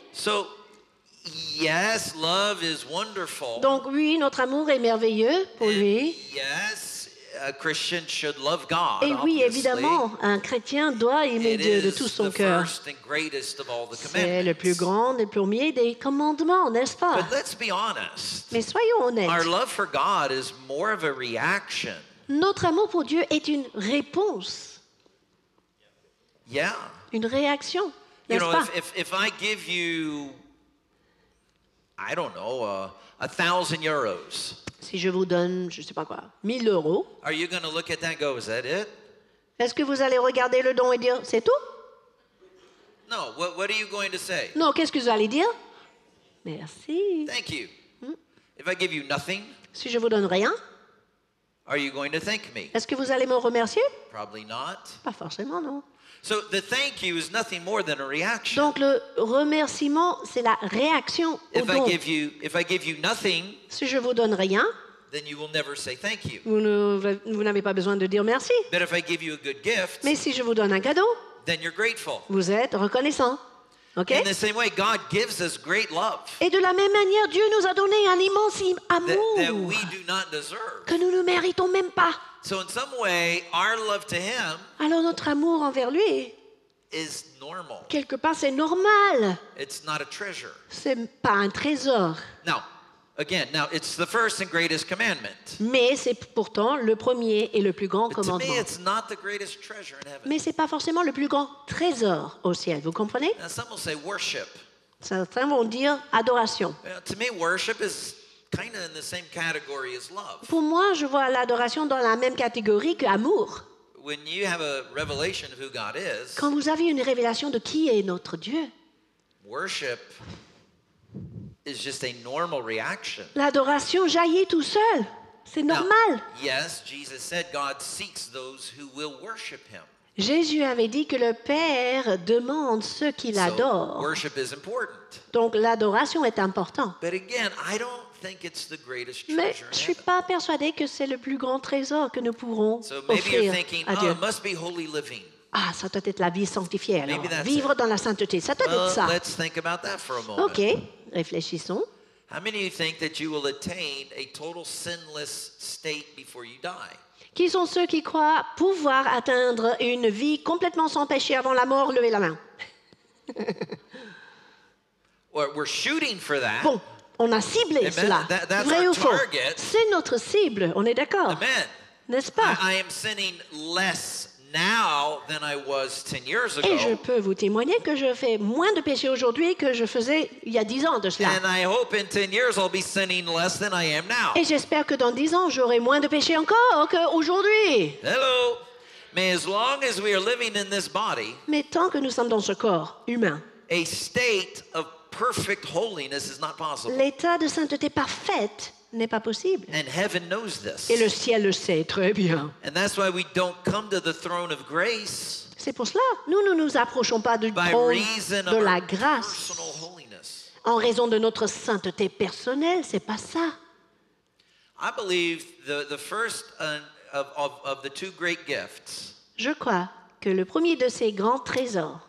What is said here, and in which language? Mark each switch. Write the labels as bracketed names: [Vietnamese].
[English] So, yes, love is wonderful. [French] Donc oui, notre amour est merveilleux pour lui. [English] Yes, a Christian should love God. [French] Et oui, [English] obviously. [French] Évidemment, un chrétien doit aimer [English] it [French] Dieu de tout son cœur. [English] First and greatest of all the commandments. [French] C'est le plus grand et premier des commandements, n'est-ce pas? [English] But let's be honest. [French] Mais soyons honnêtes. [English] Our love for God is more of a reaction. [French] Notre amour pour Dieu est une réponse. [English] Yeah. [French] Une réaction, n'est-ce [English] you know, [French] pas? [English] If I give you I don't know, 1,000 euros. [French] Si je vous donne, je sais pas quoi, 1,000 euros. [English] Are you going to look at that and go, is that it? [French] Est-ce que vous allez regarder le don et dire, c'est tout? [English] No, what are you going to say? [French] Non, qu'est-ce que vous allez dire? Merci. [English] Thank you. If I give you nothing? [French] Si je vous donne rien? [English] Are you going to thank me? [French] Est-ce que vous allez me remercier? [English] Probably not. [French] Pas forcément, non. [English] So the thank you is nothing more than a reaction. [French] Donc le remerciement c'est la réaction au don. [English] If I give you nothing, [French] si je vous donne rien, [English] then you will never say thank you. [French] Vous n'avez pas besoin de dire merci. [English] But if I give you a good gift, [French] mais si je vous donne un cadeau, [English] then you're grateful. [French] Vous êtes reconnaissant. Okay? [English] In the same way, God gives us great love. [French] Et de la même manière, Dieu nous a donné un immense amour [English] that we do not deserve. [French] Que nous ne méritons même pas. [English] So in some way, our love to him [French] alors notre amour envers lui [English] is normal. [French] Quelque part, c'est normal. [English] It's not a treasure. [French] C'est pas un trésor. [English] Now, Again, now it's the first and greatest commandment. [French] Mais c'est pourtant le premier et le plus grand commandement. [English] To me, it's not the greatest treasure in heaven. [French] Mais c'est pas forcément le plus grand trésor au ciel, vous comprenez? [English] Now, some will say worship. [French] Certains vont dire adoration. [English] Well, to me, worship is kind of in the same category as love. [French] Pour moi, je vois l'adoration dans la même catégorie que l'amour. [English] When you have a revelation of who God is, [French] quand vous avez une révélation de qui est notre Dieu, [English] worship is just a normal reaction. [French] L'adoration jaillit tout seul. C'est normal. [English] Now, yes, Jesus said God seeks those who will worship him. [French] Jésus avait dit que le Père demande ceux qui l'adorent. [English] So, worship is important. [French] Donc l'adoration est importante. [English] But again, I don't think it's the greatest treasure. [French] Mais je suis pas persuadé que c'est le plus grand trésor que nous pourrons offrir à Dieu. [English] Oh, it must be holy living. [French] Ah, ça doit être la vie sanctifiée alors. Vivre dans la sainteté, ça doit être ça. [English] Let's think about that for a moment. [French] OK, réfléchissons. [English] How many of you think that you will attain a total sinless state before you die? [French] Qui sont ceux qui croient pouvoir atteindre une vie complètement sans péché avant la mort? Levez la main. [English] Well, we're shooting for that. [French] Bon, on a ciblé [English] Amen. [French] Cela. [English] That's [French] vrai [English] our [French] ou faux? [English] Target. [French] C'est notre cible, on est d'accord. [English] Amen. [French] N'est-ce pas? [English] I am sinning less now than I was 10 years ago. [French] Et je peux vous témoigner que je fais moins de péchés aujourd'hui que je faisais il y a 10 ans de cela. [English] And I hope in 10 years I'll be sinning less than I am now. [French] Et j'espère que dans 10 ans j'aurai moins de péchés encore qu'aujourd'hui. [English] Hello. May as long as we are living in this body. [French] Mais tant que nous sommes dans ce corps humain. [English] A state of perfect holiness is not possible. [French] L'état de sainteté parfaite n'est pas possible. [English] And heaven knows this. [French] Et le ciel le sait très bien. [English] And that's why we don't come to the throne of grace. [French] C'est pour cela, nous ne nous approchons pas du trône de la grâce. [English] Personal holiness. [French] En raison de notre sainteté personnelle, c'est pas ça. [English] I believe the first of the two great gifts. [French] Je crois que le premier de ces grands trésors